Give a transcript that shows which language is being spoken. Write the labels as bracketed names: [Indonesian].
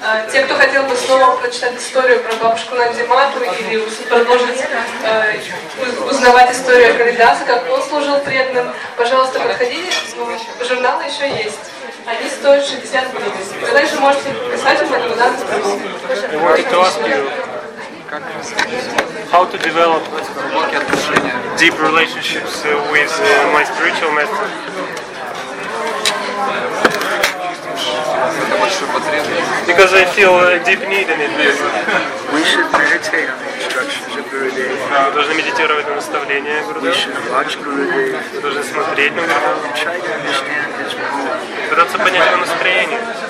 [Russian] Те, кто хотел бы снова прочитать историю про бабушку Нанди Матру или продолжить узнавать историю о Калидасе, как он служил преданным, пожалуйста, подходите. Журнал еще есть. Они стоят 60 рублей. Вы также можете писать им этого данного спроса. [English] How to develop deep relationships with my spiritual master? Because I feel a deep need in it. We should meditate on the instructions of Gurudev. [Russian] Мы должны медитировать на наставления Гурудева. [English] We should watch Gurudev. [Russian] Должны смотреть на Гурудева. Пытаться понять его настроение.